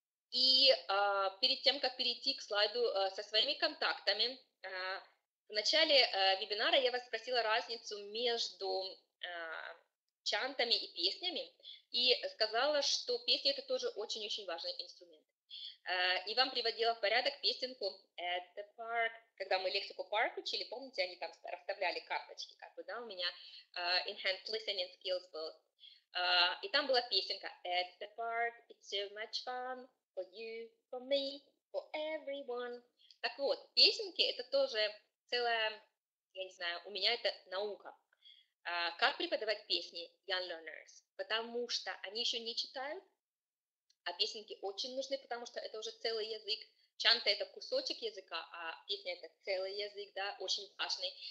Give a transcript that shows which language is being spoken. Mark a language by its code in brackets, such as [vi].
[ru] И перед тем, как перейти к слайду со своими контактами, в начале вебинара я вас спросила разницу между чантами и песнями, и сказала, что песни – это тоже очень-очень важный инструмент. И вам приводила в порядок песенку «At the Park», когда мы лексику «Park» учили, помните, они там расставляли карточки, как бы, да, у меня «Enhanced Listening Skills» был. И там была песенка [en] «At the Park, it's so much fun». For you, for me, for everyone. [ru] Так вот, песенки — это тоже целая, я не знаю, у меня это наука. Как преподавать песни [en] young learners? [ru] Потому что они еще не читают, а песенки очень нужны, потому что это уже целый язык. Чанты — это кусочек языка, а песни — это целый язык, да, очень важный.